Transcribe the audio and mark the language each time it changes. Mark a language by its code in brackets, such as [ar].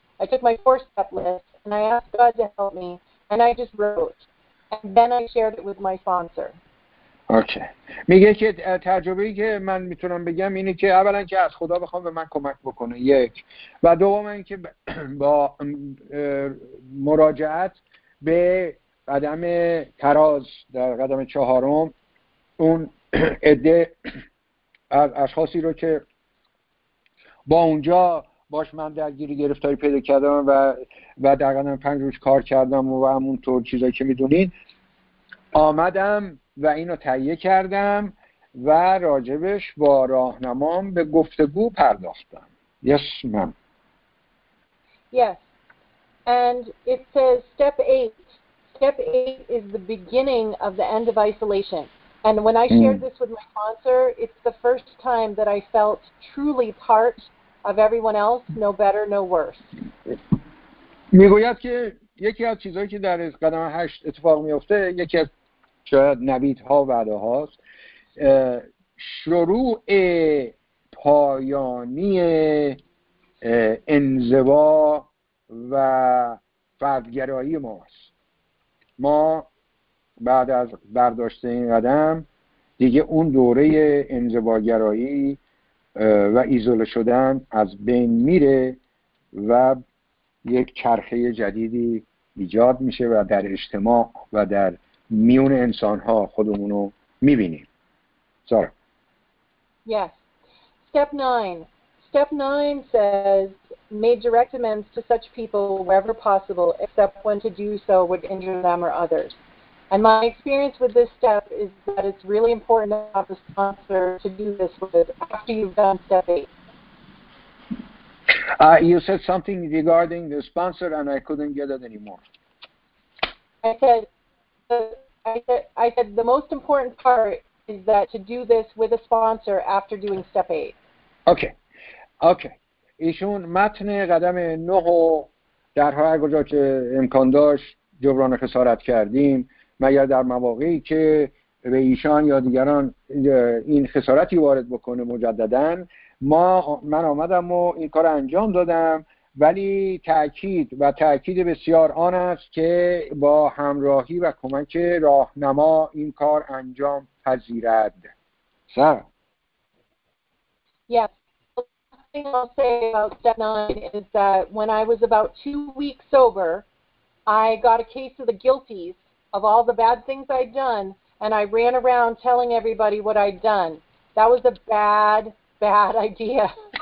[en] I took my four step list and I asked God to help me and I just wrote. And then I shared it with my sponsor. Okay. [fa] میگه که تجربه‌ای که من میتونم بگم اینه که اولا که از خدا بخوام به من کمک بکنه، یک، و دوم این که با مراجعت به قدم تراز در قدم چهارم اون عده از اشخاصی رو که با اونجا باش من درگیری گرفتاری پیدا کردم و در قدم پنج روز کار کردم و همونطور چیزایی که میدونین، آمدم و اینو تهیه کردم و راجبش با راهنمام به گفتگو پرداختم. [en] Yes, ma'am. Yes. And it says step 8. Step 8 is the beginning of the end of isolation. And when I shared this with my sponsor, it's the first time that I felt truly part of everyone else, no better, no worse. [fa] میگوید که یکی از چیزایی که در قدم 8 اتفاق میفته، یکی از شاید نویدها وعده هاست، شروع پایانی انزوا و فردگرایی ماست. ما بعد از برداشت این قدم دیگه اون دوره انزواگرایی و ایزوله شدن از بین میره و یک چرخه جدیدی ایجاد میشه و در اجتماع و در میون انسان‌ها خودمونو می‌بینیم. سارا. [en] Yes. Step 9. Step 9 says made direct amends to such people wherever possible except when to do so would injure them or others. And my experience with this step is that it's really important to have a sponsor to do this with after you've done step 8. You said something regarding the sponsor and I couldn't get it anymore. I said the most important part is that to do this with a sponsor after doing step 8. Okay. [fa] ایشون متن قدم 9 رو در هر کجا که امکان داشت جبران خسارت کردیم، مگر در مواقعی که به ایشان یا دیگران این خسارتی وارد بکنه مجدداً، من آمدم و این کار انجام دادم، ولی تأکید و تأکید بسیار آن است که با همراهی و کمک راهنما این کار انجام پذیرد. سر [en] Yes. The last thing I'll say about Staten Island is that when I was about 2 weeks sober, I got a case of the guilties of all the bad things I'd done, and I ran around telling everybody what I'd done. That was a bad, bad idea.